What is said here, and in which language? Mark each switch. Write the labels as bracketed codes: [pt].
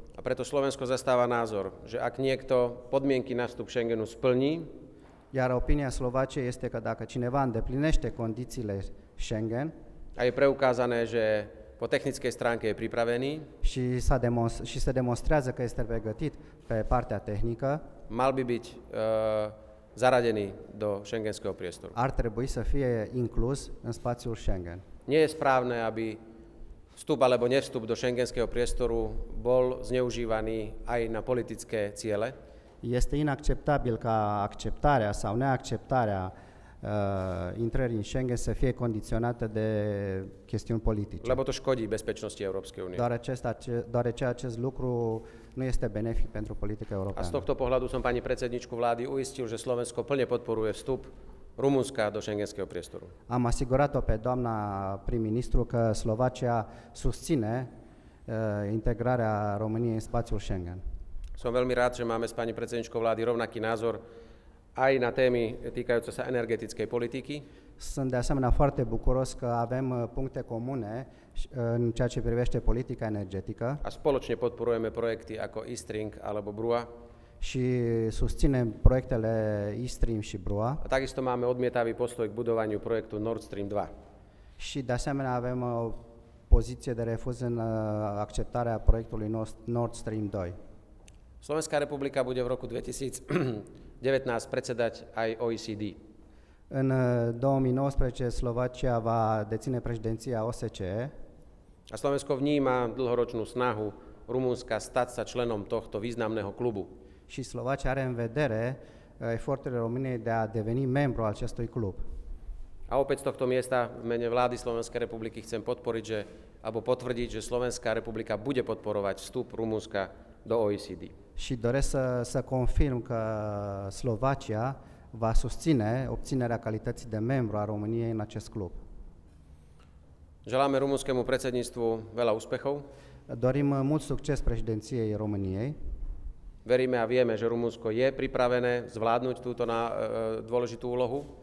[sk] A preto Slovensko zastáva názor, že ak niekto podmienky na vstup Schengenu splní, [ro] iar opinia Slovaciei este că dacă cineva îndeplinește condițiile Schengen. [sk] A je preukázané, že po technickej stránke je pripravený. [ro] Și se demonstrează că este pregătit pe partea tehnică. [sk] Mal by byť zaradený do schengenského priestoru. [ro] Ar trebui să fie inclus în spațiul Schengen. [sk] Nie je správne, aby vstup alebo nevstup do schengenského priestoru bol zneužívaný aj na politické ciele. [ro] Este inacceptabil ca acceptarea sau neacceptarea intrării în Schengen să fie condiționată de chestiuni politice. [sk] Lebo to škodí bezpečnosti Európskej únie. [ro] Deoarece acest lucru nu este benefic pentru politica europeană. [sk] A z tohto pohľadu som pani predsedničku vlády uistil, že Slovensko plne podporuje vstup Rumunska do schengenského priestoru. [ro] Am asigurat-o pe doamna prim-ministru că Slovacia susține integrarea României în spațiul Schengen. [sk] Som veľmi rád, že máme s pani predsedničkou vlády rovnaký názor aj na témy týkajúce sa energetickej politiky. [ro] Sunt de asemenea foarte bucuros că avem puncte comune în ceea ce privește politica energetică. [sk] A spoločne podporujeme projekty ako E-String alebo BRUA. [ro] Și susținem proiectele E-Stream și BRUA. [sk] A takisto máme odmietavý postoj k budovaniu projektu Nord Stream 2. [ro] Și de asemenea avem o poziție de refuz în acceptarea proiectului Nord Stream 2. [sk] Slovenská republika bude v roku 2019 predsedať aj OECD. [ro] În 2019 Slovacia va deține președinția OSCE. [sk] A Slovensko vníma dlhoročnú snahu Rumunska stať sa členom tohto významného klubu. [ro] Și Slovacia are în vedere eforturile României de a deveni membru al acestui club. [sk] A opäť z tohto miesta v mene vlády Slovenskej republiky chcem podporiť, že, alebo potvrdiť, že Slovenská republika bude podporovať vstup Rumunska do OECD. [ro] Și doresc să confirm că Slovacia va susține obținerea calității de membru a României în acest club. [sk] Želáme rumunskému predsedníctvu veľa úspechov. [ro] Dorim mult succes președinției României. [sk] Veríme a vieme, že Rumunsko je pripravené zvládnuť túto dôležitú úlohu.